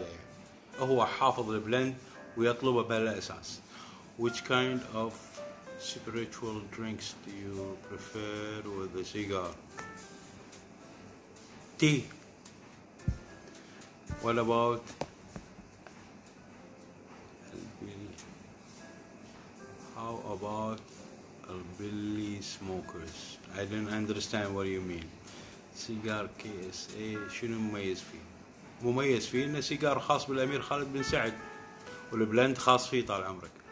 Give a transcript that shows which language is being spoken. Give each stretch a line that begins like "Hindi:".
Arabic: يعني هو حافظ البلند ويطلبه بالأساس.
English: Which kind of spiritual drinks do you prefer with a cigar? Tea. What about how about Billy Smokers? I don't understand what you mean.
Arabic: سيجار كي اس اي شنو مميز فيه؟ مميز فيه انه سيجار خاص بالامير خالد بن سعد، والبلند خاص فيه طال عمرك.